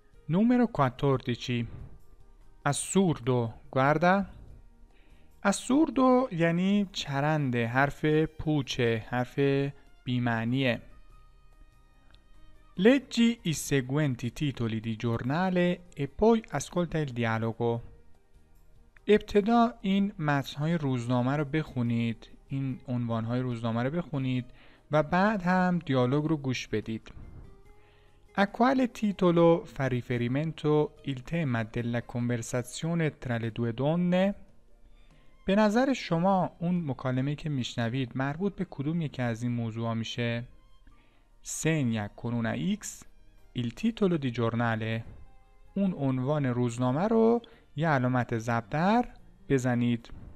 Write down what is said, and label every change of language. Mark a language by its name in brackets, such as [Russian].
[Italian] Numero 14. Assurdo, guarda. [Persian] Assurdo یعنی چرنده، حرف پوچه، حرف بیمعنیه. [Italian] Leggi i seguenti titoli di giornale e poi ascolta il dialogo. [Persian] ابتدا این متن‌های روزنامه رو بخونید، این عنوان‌های روزنامه رو بخونید و بعد هم دیالوگ رو گوش بدید. [Italian] A quale titolo fa riferimento il tema della conversazione tra le due donne? [Persian] به نظر شما اون مکالمه که میشنوید مربوط به کدوم یکی از این موضوعا میشه؟ [Italian] Segna con una X il titolo di giornale. [Persian] اون عنوان روزنامه رو یه علامت ضرب در بزنید.